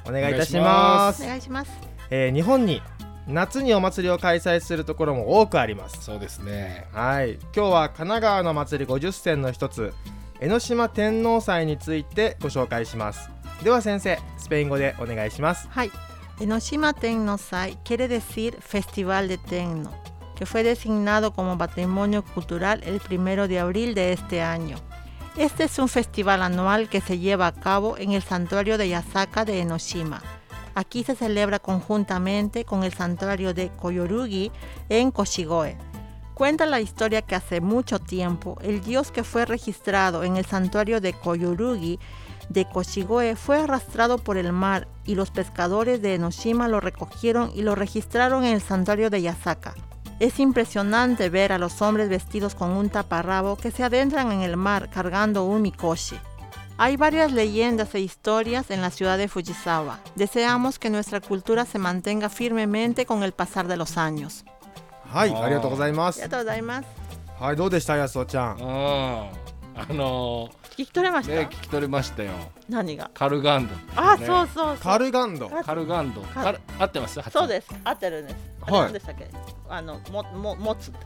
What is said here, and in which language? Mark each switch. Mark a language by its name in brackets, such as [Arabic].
[Japanese] お願いいたします。お願いします。日本に夏にお祭りを開催するところも多くあります。そうですね、はい、今日は神奈川の祭り50選の一つ江ノ島天王祭についてご紹介します。では先生、スペイン語でお願いします。 [Spanish] はい、江ノ島天王祭 quiere decir Festival de Tenno que fue designado como Patrimonio Cultural el 1 de abril de este año. Este es un festival anual que se lleva a cabo en el Santuario de Yasaka de江ノ島. Aquí se celebra conjuntamente con el Santuario de Koyorugi en Koshigoe. Cuenta la historia que hace mucho tiempo, el dios que fue registrado en el santuario de Koyurugi de Koshigoe fue arrastrado por el mar y los pescadores de Enoshima lo recogieron y lo registraron en el santuario de Yasaka. Es impresionante ver a los hombres vestidos con un taparrabo que se adentran en el mar cargando un mikoshi. Hay varias leyendas e historias en la ciudad de Fujisawa. Deseamos que nuestra cultura se mantenga firmemente con el pasar de los años. [Japanese] はい、ありがとうございます。ありがとうございます。はい、どうでした、やすおちゃん。聞き取れました、ね、聞き取れましたよ。何がカルガンド、ね、あ、そうそうそう、カルガンド、カルガンド、合ってます。そうです、合ってるんです。あれ、はい、何でしたっけ、あの、持つって、